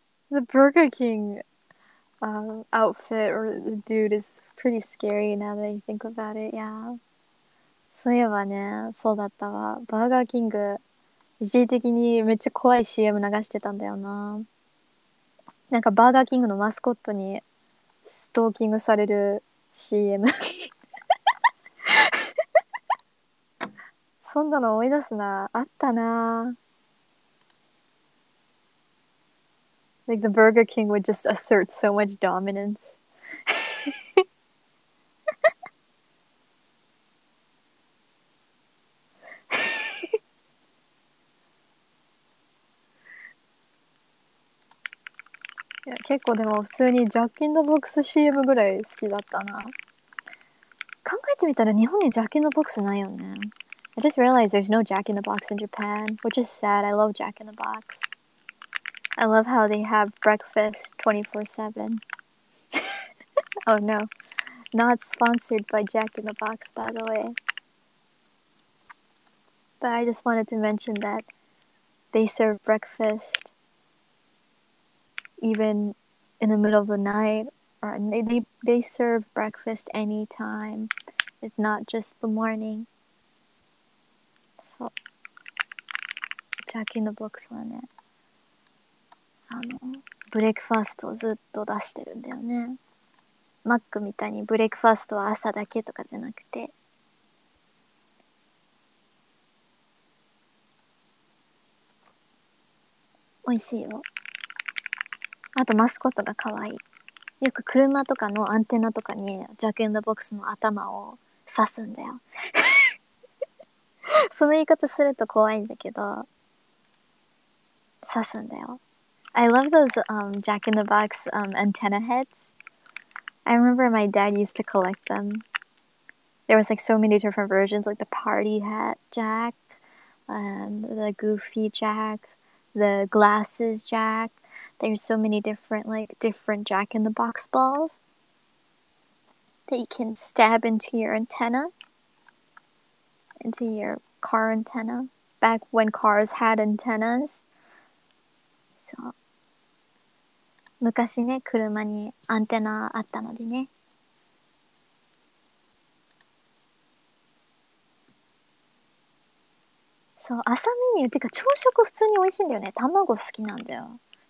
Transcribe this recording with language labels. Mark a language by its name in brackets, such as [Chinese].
[English] The Burger King outfit or the dude is pretty scary now that you think about it. Yeah. [Japanese] そういえばね、そうだったわ。バーガーキング。一時的にめっちゃ怖い CM 流してたんだよな。なんかバーガーキングのマスコットにストーキングされる CM。そんなの思い出すな。あったな。 [English] Like the Burger King would just assert so much dominance. [Japanese] いや、結構でも普通にジャック・イン・ザ・ボックス CM ぐらい好きだったな。考えてみたら日本にジャック・イン・ザ・ボックスないよね。 [English] I just realized there's no Jack in the Box in Japan, which is sad. I love Jack in the Box. I love how they have breakfast 24/7. Oh no. Not sponsored by Jack in the Box, by the way. But I just wanted to mention that they serve breakfast. Even in the middle of the night, or they serve breakfast anytime. It's not just the morning. [Japanese] So, Jack in the Box はね、ブレックファーストをずっと出してるんだよね。マックみたいにブレックファーストは朝だけとかじゃなくて。美味しいよ。あとマスコットが可愛い。よく車とかのアンテナとかにジャック・イン・ザ・ボックスの頭を刺すんだよ。その言い方すると怖いんだけど、刺すんだよ。 [English] I love those Jack in the Box antenna heads. I remember my dad used to collect them. There was like so many different versions, like the party hat Jack, the goofy Jack, the glasses Jack. There's so many different jack-in-the-box balls that you can stab into your antenna, into your car antenna. back when cars had antennas. [Japanese] そう。昔ね、車にアンテナあったのでね。そう、朝メニューってか朝食普通に美味しいんだよね。卵好きなんだよ。